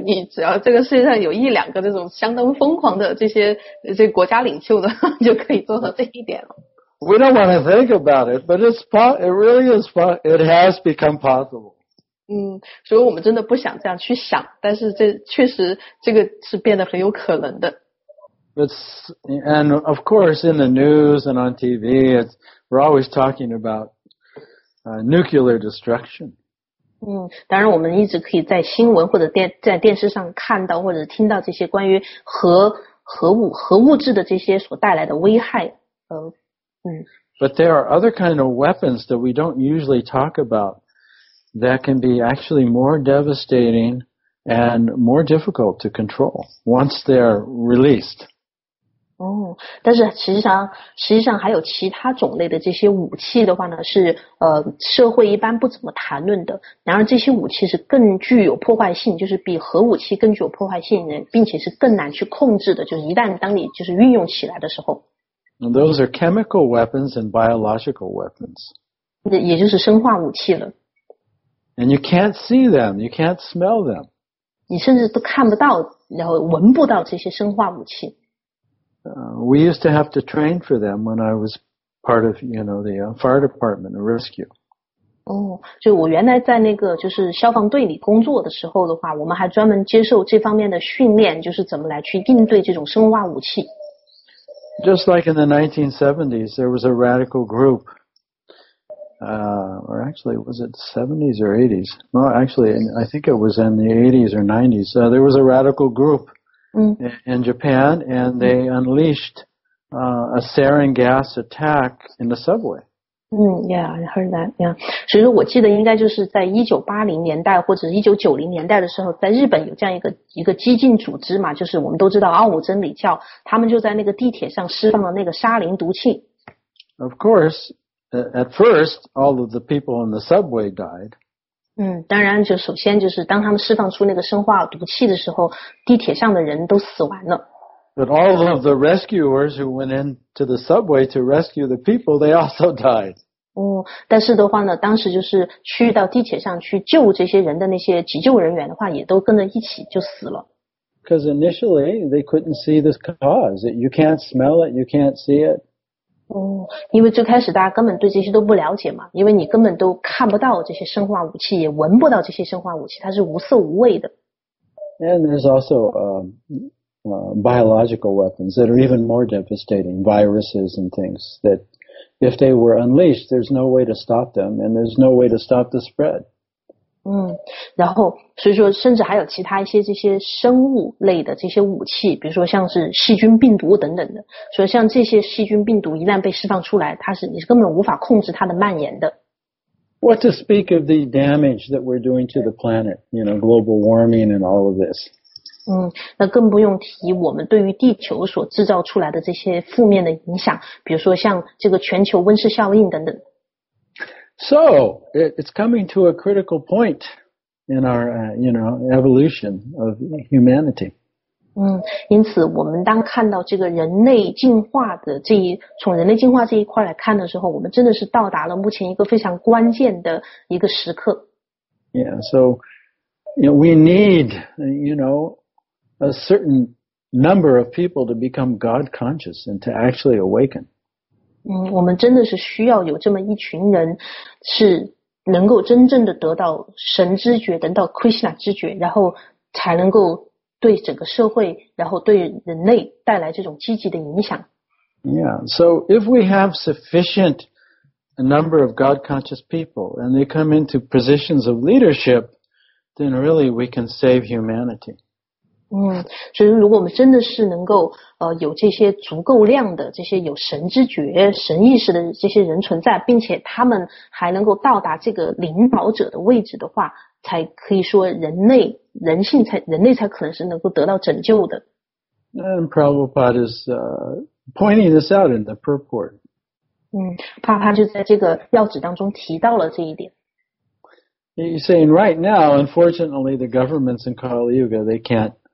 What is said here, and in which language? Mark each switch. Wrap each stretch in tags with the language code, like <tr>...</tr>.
<zh>只要这个世界上有一两个这种相当疯狂的这些国家领袖的，就可以做到这一点了。</zh> <en>We don't want to think about it, but it has become possible.</en> <zh>所以我们真的不想这样去想，但是这确实这个是变得很有可能的。</zh> <en>And of course, in the news and on TV, we're always talking about nuclear destruction.</en> <zh>当然我们一直可以在新闻或者在电视上看到或者听到这些关于核物质的这些所带来的危害。</zh> <en>But there are other kind of weapons that we don't usually talk about that can be actually more devastating and more difficult to control once they're released.</en> <zh>但是实际上还有其他种类的这些武器的话呢，是社会一般不怎么谈论的。然而这些武器是更具有破坏性，就是比核武器更具有破坏性，并且是更难去控制的，就是一旦当你就是运用起来的时候。</zh> <en>And those are chemical weapons and biological weapons.</en> <zh>也就是生化武器了。</zh> <en>And you can't see them, you can't smell them.</en> <zh>你甚至都看不到，然后闻不到这些生化武器。</zh> <en>We used to have to train for them when I was part of, the fire department and rescue.</en> <zh>就我原来在那个就是消防队里工作的时候的话，我们还专门接受这方面的训练，就是怎么来去应对这种生化武器。</zh> <en>Just like in the 1970s, there was a radical group, or actually, was it 70s or 80s? No, actually, I think it was in the 80s or 90s. There was a radical group in Japan, and they unleashed a sarin gas attack in the subway. Yeah, I heard that. Yeah.</en> <zh>所以我记得应该就是在1980年代或者1990年代的时候，在日本有这样一个激进组织嘛，就是我们都知道奥武真理教，他们就在那个地铁上释放了那个沙林毒气。</zh> <en>Of course, at first, all of the people in the subway died.</en> <zh>当然就首先就是当他们释放出那个生化毒气的时候，地铁上的人都死完了。</zh> <en>But all of the rescuers who went into the subway to rescue the people, they also died.</en> <zh>但是的话呢，当时就是去到地铁上去救这些人的那些急救人员的话，也都跟着一起就死了。</zh> <en>Because initially they couldn't see this cause. You can't smell it, you can't see it.</en> <zh>因为最开始大家根本对这些都不了解嘛，因为你根本都看不到这些生化武器，也闻不到这些生化武器，它是无色无味的。</zh> <en>And there's also biological weapons that are even more devastating, viruses and things that if they were unleashed, there's no way to stop them and there's no way to stop the spread.</en> <zh>然后所以说甚至还有其他一些这些生物类的这些武器，比如说像是细菌病毒等等的，所以像这些细菌病毒一旦被释放出来，你是根本无法控制它的蔓延的。</zh> <en>What to speak of the damage that we're doing to the planet, global warming and all of this?</en> <zh>那更不用提我们对于地球所制造出来的这些负面的影响，比如说像这个全球温室效应等等。</zh> <en>So, it's coming to a critical point in our, evolution of humanity.</en> <zh>因此我们当看到这个人类进化的从人类进化这一块来看的时候，我们真的是到达了目前一个非常关键的一个时刻。</zh> <en>Yeah, so, we need, a certain number of people to become God conscious and to actually awaken.</en> <zh>我们真的是需要有这么一群人是能够真正的得到神知觉，得到 Krishna 知觉，然后才能够对整个社会，然后对人类带来这种积极的影响。</zh> <en>Yeah, so if we have sufficient number of God conscious people and they come into positions of leadership, then really we can save humanity.</en> <zh>嗯，所以如果我们真的是能够有这些足够量的这些有神知觉、神意识的这些人存在，并且他们还能够到达这个领导者的位置的话，才可以说人类才可能是能够得到拯救的。</zh> <en>And Prabhupada is pointing this out in the purport.</en> <zh>嗯，帕帕就在这个要旨当中提到了这一点。</zh> <en>He's saying right now, unfortunately, the governments in Kali Yuga they can't.</en>